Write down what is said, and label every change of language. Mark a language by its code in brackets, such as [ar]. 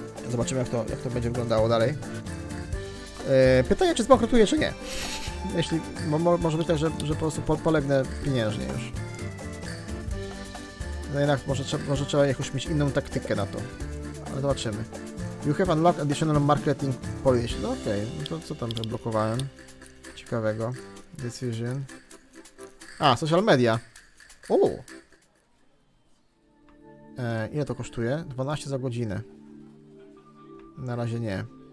[pl] Zobaczymy, jak to będzie wyglądało dalej. Pytanie, czy zbankrutuję, czy nie. Jeśli, może być tak, że po prostu polegnę pieniężnie już. No jednak, może trzeba jakoś mieć inną taktykę na to. No zobaczymy. [en] You have unlocked additional marketing policy. [pl] No okej, okay. No to co tam zablokowałem? Ciekawego. [en] Decision. [pl] A, [en] social media. [pl] Ile to kosztuje? 12 za godzinę. Na razie nie.